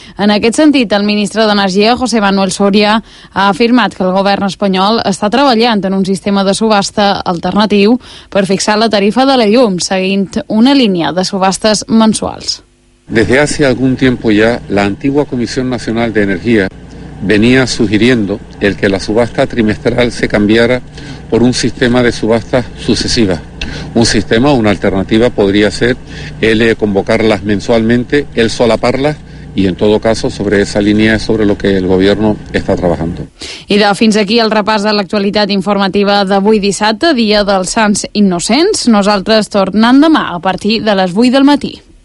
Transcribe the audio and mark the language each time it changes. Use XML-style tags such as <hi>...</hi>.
<ca>En aquest sentit, el ministre d'Energia, José Manuel Soria, ha afirmat que el govern espanyol està treballant en un sistema de subhasta alternatiu per fixar la tarifa de la llum, seguint una línia de subhastes mensuals.</ca> <es>Desde hace algún tiempo ya, la antigua Comisión Nacional de Energía venía sugiriendo el que la subasta trimestral se cambiara por un sistema de subastas sucesivas. Un sistema, una alternativa podría ser el convocarlas mensualmente, el solaparlas y en todo caso sobre esa línea es sobre lo que el gobierno está trabajando.</es> <ca>I de fins aquí el repàs de l'actualitat informativa d'avui dissabte, dia dels Sants Innocents. Nosaltres tornem demà a partir de les 8 del matí.</ca>